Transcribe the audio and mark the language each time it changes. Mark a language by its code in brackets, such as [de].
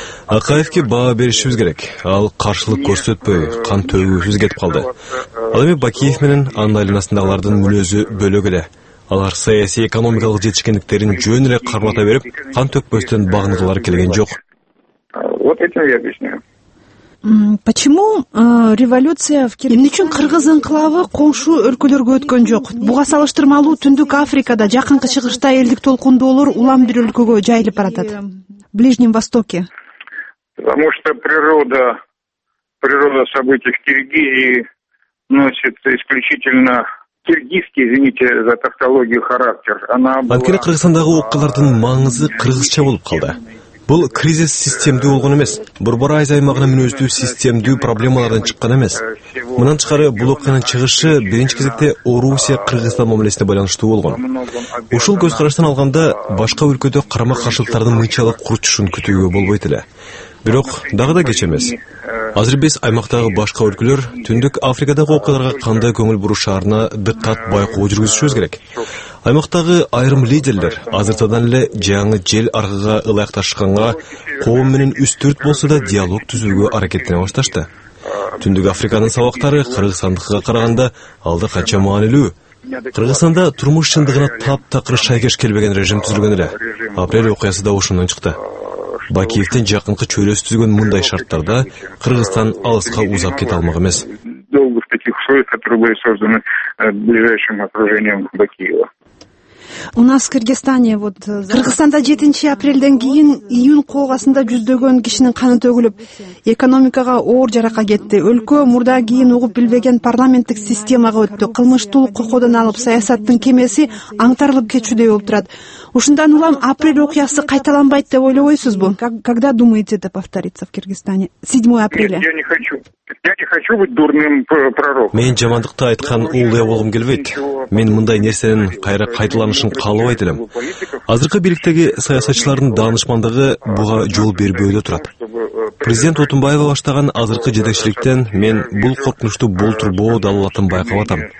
[ky] Акаевке баа беришибиз керек. Ал каршылык көрсөтпөй, кан төгүүсүз кетип калды. Ал эми Бакиев менен анын айланасындагылардын мүнөзү бөлөк эле. Алар саясий экономикалык жетишкендиктерин жөн эле кармата берип, кан төкпөстөн багынгылары келген жок. [ru] Вот этим я объясняю. Почему революция в Киргизии? [ky] Эмне үчүн кыргыз инкылабы коңшу өлкөлөргө өткөн жок? Буга салыштырмалуу Түндүк Африкада, жакынкы чыгышта элдик толкундуулор улам бир өлкөгө жайылып баратат. [ru] Ближнем Востоке. Потому что природа событий в Киргизии носит исключительно тавтологию характер. [ky] Анткени Кыргызстандагы окуялардын маңызы кыргызча болуп калды. Бул кризис системдүү болгон эмес. Борбор Азия аймагына мүнөздүү системдүү проблемалардан чыккан эмес. Мындан тышкары, бул окуянын чыгышы биринчи кезекте Орусия Кыргызстан мамилесине байланыштуу болгон. Ушул көз караштан алганда, башка өлкөдө карама каршылыктардын мынчалык курчушун күтүүгө болбойт эле. Бирок дагы да кеч эмес. Азыр биз аймактагы башка өлкөлөр Түндүк Африкадагы окуяларга кандай көңүл бурушаарына диккат байкоо жүргүзүшүбүз керек. Аймактагы айрым лидерлер азыртадан эле жаңы жел аргыга ылайыкташканга, коом менен үстүрт болсо да диалог түзүүгө аракеттене башташты. Түндүк Африканын сабактары Кыргызстандыкыга караганда алда канча маанилүү. Кыргызстанда турмуш чындыгына таптакыр шайкеш келбеген режим түзүлгөн эле. Апрель окуясы да ошондон чыкты. Бакиевдин жакынкы чөйрөсү түзгөн мындай шарттарда Кыргызстан алыска узап кете алмак эмес. [ru] Долго в таких условиях, которые были созданы ближайшим окружением Бакиева. У нас в Кыргызстане вот [ky] Кыргызстанда 7-апрелден кийин июнь коогасында жүздөгөн кишинин каны төгүлүп, экономикага оор жарака кетти. Өлкө мурда кийин угуп билбеген парламенттик системага өттү. Кылмыштуулук кокодон алып, саясаттын кемеси аңтарылып кетүүдөй болуп турат. Ушундан улам апрель окуясы кайталанбайт деп ойлобойсузбу? [ru] Когда думаете, это повторится в Кыргызстане? 7-апреля. Я не хочу быть дурным пророком. [ky] Мен жамандыкты айткан уул эле болгум келбейт. Мен мындай нерсенин кайра кайталанышын каалабайт элем. Азыркы бийликтеги саясатчылардын даанышмандыгы буга жол бербөөдө турат. Президент Отунбаева баштаган азыркы жетекчиликтен мен бул коркунучту болтурбоо далалатын байкап атам.